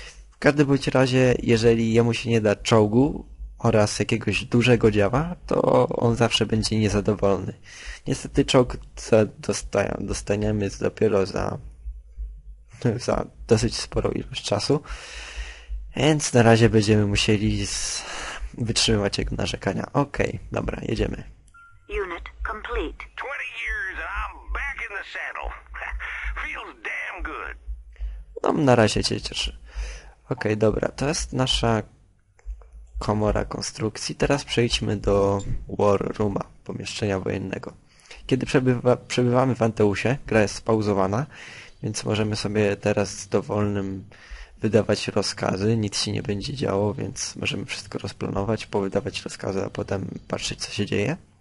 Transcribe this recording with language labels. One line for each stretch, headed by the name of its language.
Polish: W każdym bądź razie, jeżeli jemu się nie da czołgu oraz jakiegoś dużego działa, to on zawsze będzie niezadowolony. Niestety czołg dostaniemy dopiero za za dosyć sporą ilość czasu. Więc na razie będziemy musieli wytrzymywać jego narzekania. Okej, dobra, jedziemy.
English: Unit complete. 20 years and I'm back in the saddle. Feels damn good.
Polish: No, na razie cię cieszy. Okej, dobra, to jest nasza komora konstrukcji. Teraz przejdźmy do War Rooma, pomieszczenia wojennego. Kiedy przebywamy w Anteusie, gra jest spauzowana, więc możemy sobie teraz z dowolnym wydawać rozkazy, nic się nie będzie działo, więc możemy wszystko rozplanować, powydawać rozkazy, a potem patrzeć, co się dzieje.